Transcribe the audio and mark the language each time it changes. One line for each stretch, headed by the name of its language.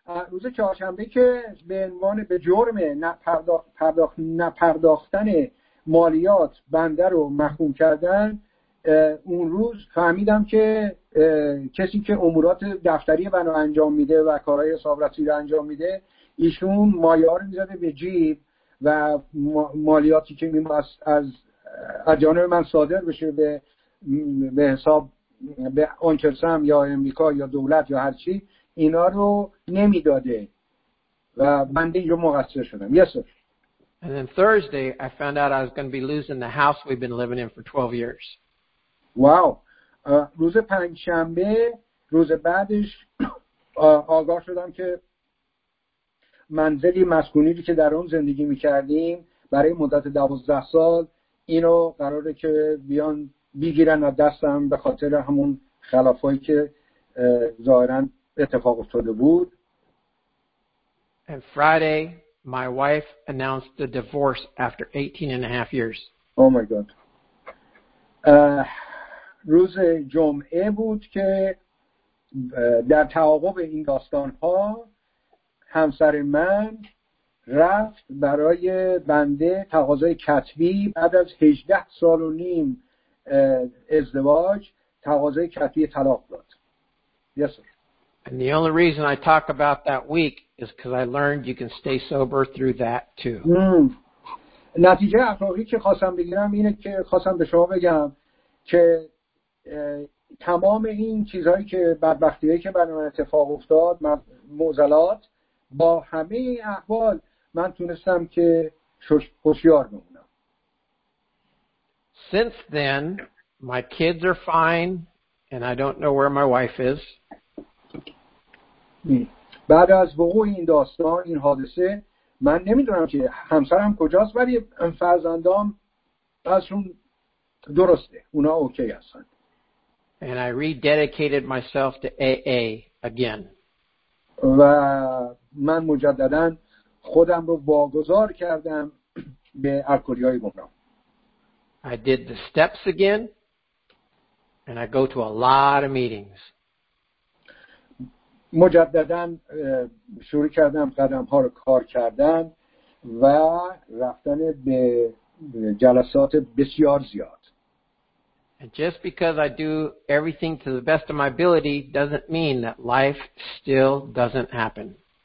Persian: روز چهارشنبه که به عنوان به جرم نپرداختن مالیات بنده رو محکوم کردن، اون روز فهمیدم که کسی که امورات دفتری بنو انجام میده و کارهای حسابرسی رو انجام میده، ایشون مایه‌ها رو می‌زده به جیب و مالیاتی که می‌باست از جانب من صادر بشه به حساب به آنکل سم یا امریکا یا دولت یا هر چی، اینا رو نمی‌داده و بنده اینجا مقصر شدم.
English: Yes, sir. And then Thursday I found out I was going to be losing the house we've been living in for 12 years. Wow.
Persian: روز پنج شنبه روز بعدش آگاه شدم که منزلی مسکونی که در اون زندگی می‌کردیم برای مدت 12 سال اینو قراره که بیان بگیرن از دستم به خاطر همون خلافایی که ظاهرا اتفاق افتاده بود.
English: And Friday my wife announced the divorce after 18 and a half years. Oh my god.
Persian: روز جمعه بود که در تعاقب این داستان ها همسر من رفت برای بنده تقاضای کتبی بعد از 18 سال و نیم ازدواج تقاضای کتبی طلاق داد.
English: Yes, sir. And the only reason I talk about that week is because I learned you can stay sober through that too.
Persian: نتیجه اخلاقی که خواستم بگیرم اینه که خواستم به شما بگم که تمام این چیزهایی که بدبختیه که برای من اتفاق افتاد، معضلات، با همه احوال من تونستم که هوشیار بمونم.
English: Since then my kids are fine and I don't know where my wife is.
Persian: بعد از وقوع این داستان، این حادثه، من نمیدونم که همسرم کجاست ولی فرزندام ازشون درسته، اونا اوکی هستن.
English: And I rededicated myself to AA again.
Persian: و من مجدداً خودم رو واگذار کردم به الکلی‌های گمنام.
English: I did the steps again. And I go to a lot of meetings.
Persian: مجدداً شروع کردم قدم ها رو کار کردن و رفتن به جلسات بسیار زیاد.
English: And just because I do everything to the best of my ability doesn't mean that life still doesn't happen.